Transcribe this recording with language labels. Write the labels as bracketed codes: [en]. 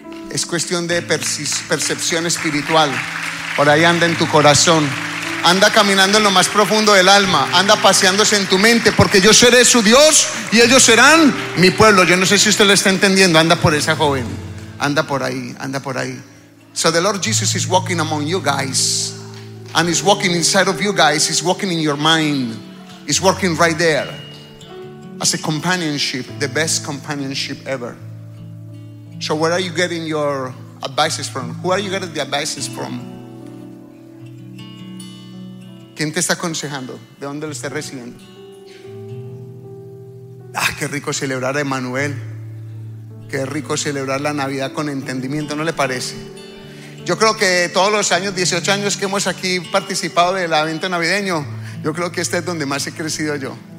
[es] Es cuestión de percepción espiritual. Por ahí anda en tu corazón. Anda caminando en lo más profundo del alma. Anda paseándose en tu mente. Porque yo seré su Dios y ellos serán mi pueblo. Yo no sé si usted lo está entendiendo. Anda por esa joven. Anda por ahí. [en] So the Lord Jesus is walking among you guys. And he's walking inside of you guys. He's walking in your mind. He's walking right there. As a companionship. The best companionship ever. So where are you getting your advices from? Who are you getting the advices from? [es] ¿Quién te está aconsejando? ¿De dónde lo estás recibiendo? ¡Ah, qué rico celebrar a Emmanuel! ¡Qué rico celebrar la Navidad con entendimiento! ¿No le parece? Yo creo que todos los años, 18 años que hemos aquí participado del evento navideño, yo creo que este es donde más he crecido yo.